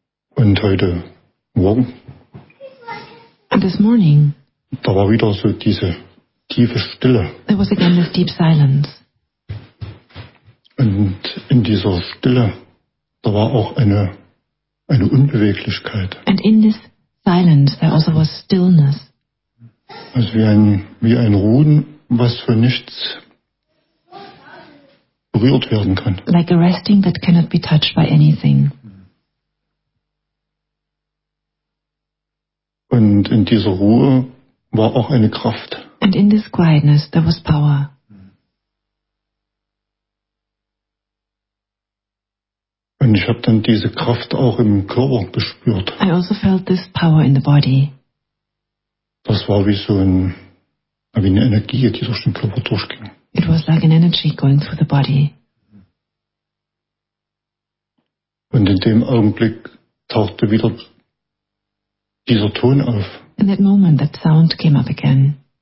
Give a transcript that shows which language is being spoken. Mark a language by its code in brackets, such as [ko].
[de] Und heute Morgen? [en] This morning, [de] da war wieder so diese tiefe Stille. [en] There was again this deep silence. [de] Und in dieser Stille, da war auch eine Unbeweglichkeit. [en] And in this silence, there also was stillness. [de] Also wie ein Ruhen, was für nichts berührt werden kann. [en] Like a resting that cannot be touched by anything. [de] Und in dieser Ruhe war auch eine Kraft. [en] And in this quietness there was power. [de] Und ich habe dann diese Kraft auch im Körper gespürt. [en] I also felt this power in the body. [de] Das war wie eine Energie, die durch den Körper durchging. [en] It was like an energy going through the body. [de] Und in dem Augenblick tauchte wieder dieser Ton auf. [en] In that moment, that sound came up again.